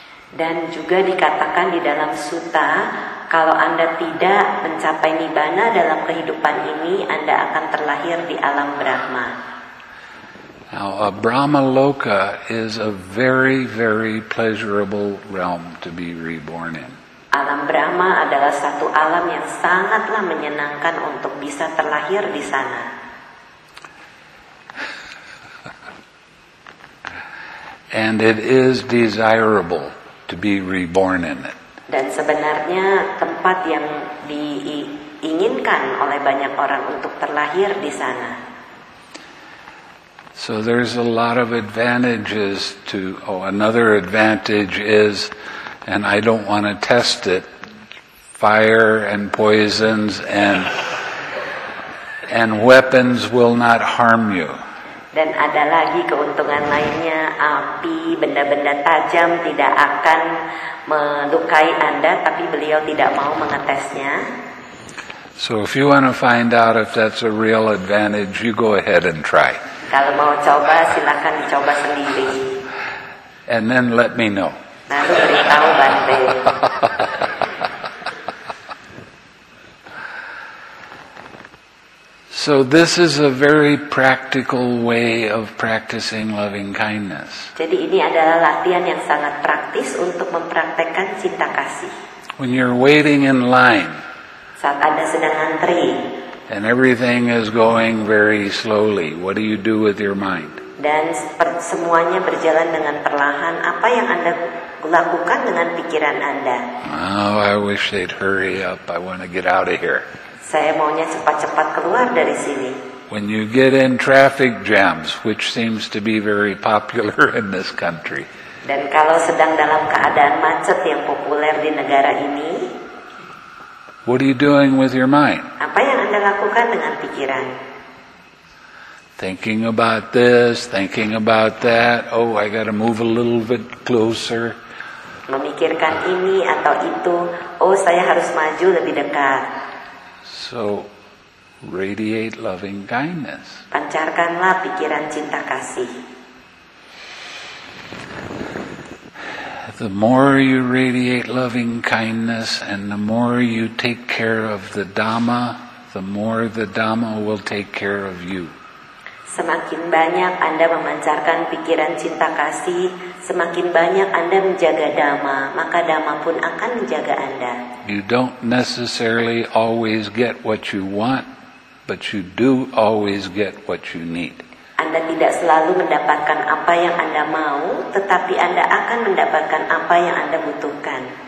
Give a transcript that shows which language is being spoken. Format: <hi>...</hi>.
<id>Dan juga dikatakan di dalam sutta, kalau Anda tidak mencapai nibbana dalam kehidupan ini, Anda akan terlahir di alam Brahma.</id> <en>Now, a Brahma Loka is a very, very pleasurable realm to be reborn in.</en> <id>Alam Brahma adalah satu alam yang sangatlah menyenangkan untuk bisa terlahir di sana.</id> <en>And it is desirable to be reborn in it.</en> <id>Dan sebenarnya tempat yang diinginkan oleh banyak orang untuk terlahir di sana.</id> <en>So there's a lot of advantages to, another advantage is, and I don't want to test it, fire and poisons and weapons will not harm you.</en> <id>Dan ada lagi keuntungan lainnya, api, benda-benda tajam tidak akan melukai Anda, tapi beliau tidak mau mengetesnya.</id> <en>So if you want to find out if that's a real advantage, you go ahead and try.</en> <id>Kalau mau coba, silakan dicoba sendiri.</id> <en>And then let me know.</en> <id>Lalu beritahu Bante.</id> <en>So this is a very practical way of practicing loving kindness.</en> <id>Jadi ini adalah latihan yang sangat praktis untuk mempraktikkan cinta kasih.</id> <en>When you're waiting in line,</en> <id>saat Anda sedang antri,</id> <en>and everything is going very slowly, what do you do with your mind?</en> <id>Dan semuanya berjalan dengan perlahan, apa yang Anda lakukan dengan pikiran Anda?</id> <en>Oh, I wish they'd hurry up. I want to get out of here.</en> <id>Saya maunya cepat-cepat keluar dari sini.</id> <en>When you get in traffic jams, which seems to be very popular in this country.</en> <id>Dan kalau sedang dalam keadaan macet yang populer di negara ini.</id> <en>What are you doing with your mind?</en> <id>Apa yang Anda lakukan dengan pikiran?</id> <en>Thinking about this, thinking about that. Oh, I got to move a little bit closer.</en> <id>Memikirkan ini atau itu. Oh, saya harus maju lebih dekat.</id> <en>So, radiate loving kindness.</en> <id>Pancarkanlah pikiran cinta kasih.</id> <en>The more you radiate loving kindness and the more you take care of the Dhamma, the more the Dhamma will take care of you.</en> <id>Semakin banyak Anda memancarkan pikiran cinta kasih, semakin banyak Anda menjaga Dhamma, maka Dhamma pun akan menjaga Anda.</id> <en>You don't necessarily always get what you want, but you do always get what you need.</en> <id>Anda tidak selalu mendapatkan apa yang Anda mau, tetapi Anda akan mendapatkan apa yang Anda butuhkan.</id>